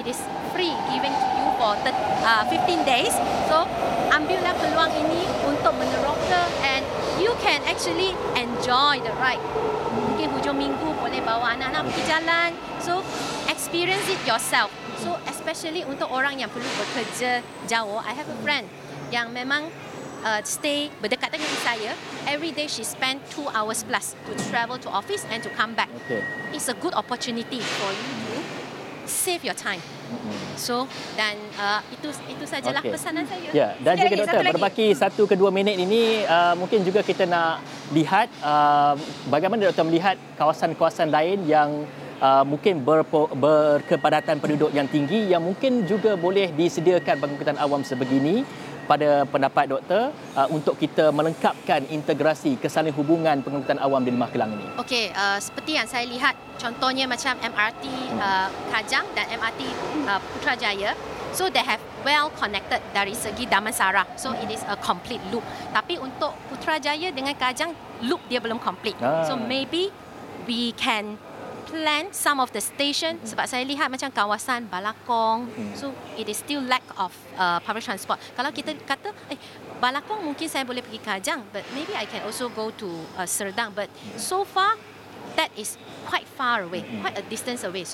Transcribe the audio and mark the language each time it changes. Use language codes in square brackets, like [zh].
[en] It is free, given to you for 15 days. So, [ms] ambillah peluang ini untuk meneroka [en] and you can actually enjoy the ride. [ms] Mungkin hujung minggu boleh bawa anak-anak pergi jalan. [en] So, experience it yourself. So, especially [ms] untuk orang yang perlu bekerja jauh. [en] I have a friend [ms] yang memang stay berdekatan dengan saya. [en] Every day she spend 2 hours plus to travel to office and to come back. Okay. It's a good opportunity for you to save your time. [ms] So dan itu sajalah okay. Pesanan saya. Ya, yeah. Dan juga doktor, berbaki 1 ke 2 minit ini mungkin juga kita nak lihat bagaimana doktor melihat kawasan-kawasan lain yang mungkin berkepadatan penduduk yang tinggi yang mungkin juga boleh disediakan pengangkutan awam sebegini. Pada pendapat doktor untuk kita melengkapkan integrasi kesaling hubungan pengangkutan awam di Lembah Kelang ini. Okey, seperti yang saya lihat contohnya macam MRT Kajang dan MRT Putrajaya. [en] So they have well connected [ms] dari segi [en] Damansara. So it is a complete loop. [ms] Tapi untuk Putrajaya dengan Kajang, loop dia belum complete. [en] So maybe we can plan some of the station [ms] sebab saya lihat macam kawasan Balakong, [en] so it is still lack of public transport. [ms] Kalau kita kata Balakong mungkin saya boleh pergi Kajang, [en] but maybe I can also go to Serdang, but so far that is quite far away, quite a distance away.